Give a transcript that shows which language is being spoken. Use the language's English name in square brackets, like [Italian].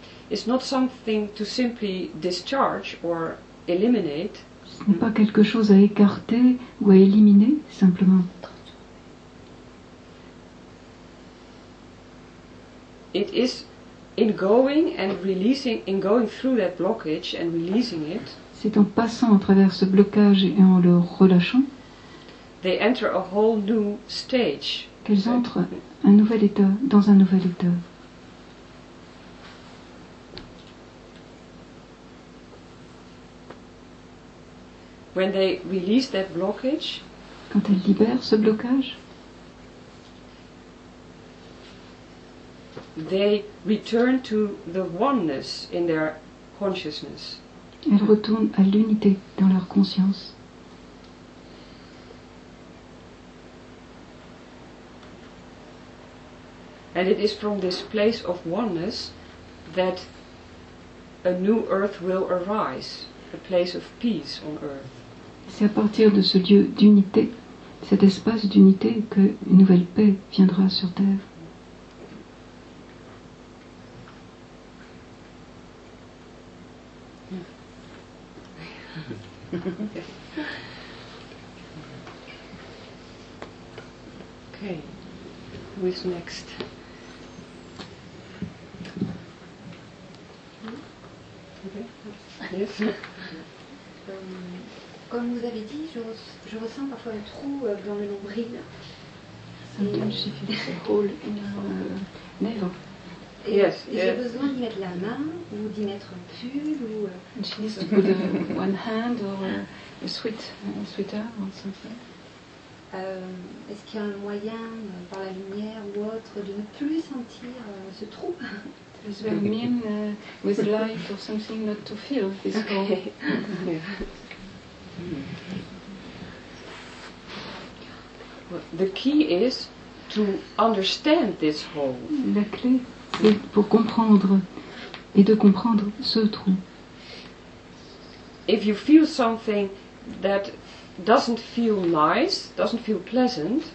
[English] is not something to simply discharge or eliminate. [French] Ce n'est pas quelque chose à écarter ou à éliminer, simplement. [English] It is in going and releasing, in going through that blockage and releasing it. [French] C'est en passant à travers ce blocage et en le relâchant. [English] They enter a whole new stage. [French] Qu'elles entrent un nouvel état, dans un nouvel état. [English] When they release that blockage, [French] quand elles libèrent ce blocage, [English] they return to the oneness in their consciousness. [French] Elles retournent à l'unité dans leur conscience. [English] And it is from this place of oneness that a new earth will arise, a place of peace on earth. [French] C'est à partir de ce lieu d'unité, cet espace d'unité, que une nouvelle paix viendra sur terre. [English] Okay. Who is next? Okay. Yes. [French] Comme vous avez dit, je ressens parfois un trou dans le nombril. [English] Sometimes she feels a hole in her navel. Yes. [French] Et j'ai besoin d'y mettre la main ou d'y mettre un pull ou. [English] And she needs to put one hand or a sweater or something. [French] Est-ce qu'il y a un moyen par la lumière ou autre de ne plus sentir ce trou? [English] Does it mean with light or something not to feel this hole? Okay. Yeah. Well, the key is to understand this hole. [French] La clé est pour comprendre et de comprendre ce trou. [English] If you feel something that doesn't feel nice, doesn't feel pleasant,